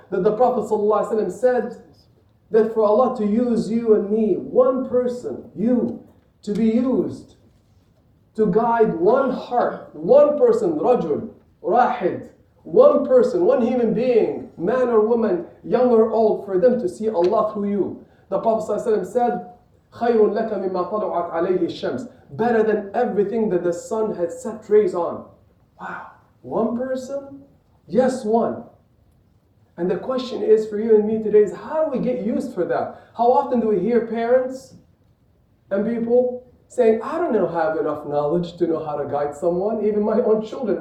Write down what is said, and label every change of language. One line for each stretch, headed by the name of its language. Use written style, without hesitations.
English: That the Prophet ﷺ said that for Allah to use you and me, one person, you, to be used to guide one heart, one person, rajul, rahid, one person, one human being, man or woman, young or old, for them to see Allah through you. The Prophet ﷺ said,
Arabic: خَيْرٌ لَكَ مِمَّا طَلُعَتْ عَلَيْهِ الشَّمْسِ.
English: Better than everything that the sun had set rays on. Wow, one person? Yes, one. And the question is for you and me today is, how do we get used for that? How often do we hear parents and people saying, I don't know, have enough knowledge to know how to guide someone, even my own children.